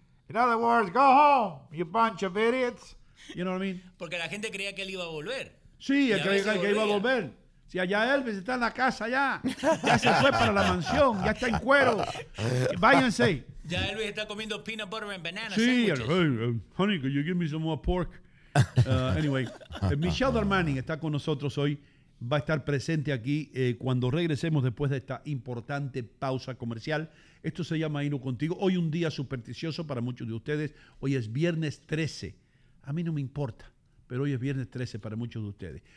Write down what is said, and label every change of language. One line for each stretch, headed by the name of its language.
English: In other words, go home, you bunch of idiots. You know what I mean?
Spanish: Porque la gente creía que él iba a volver. Sí, creía que iba a volver. Si allá Elvis está en la casa ya. Ya se fue para la mansión. Ya está en cuero. Váyanse. Ya Elvis está comiendo
English: peanut butter and banana sandwiches. Sí, honey, could you give me some more pork?
Spanish: Anyway, Michelle Darmanin está con nosotros hoy. Va a estar presente aquí cuando regresemos después de esta importante pausa comercial. Esto se llama Hino Contigo. Hoy un día supersticioso para muchos de ustedes. Hoy es viernes 13. A mí no me importa, pero hoy es viernes 13 para muchos de ustedes.